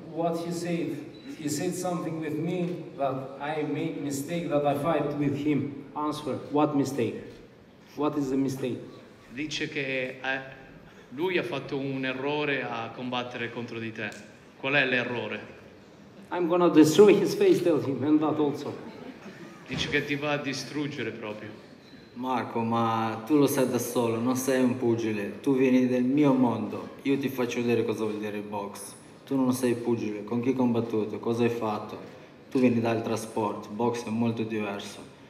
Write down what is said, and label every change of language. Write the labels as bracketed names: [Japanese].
[English] with me that I make mistake that I fight with him. Answer, what mistake? What is the mistake? [Italian] Dice che lui ha fatto un errore a combattere contro di te. Qual è l'errore? [English] I'm gonna destroy his face, tell him, and that also. [Italian] Dice che ti va a distruggere proprio. Marco, ma tu lo sai da solo, non sei un pugile. Tu vieni del mio mondo. Io ti faccio vedere cosa vuol dire il box. Tu non sei pugile, con chi hai combattuto, cosa hai fatto? Tu vieni da altro sport, box è molto diverso.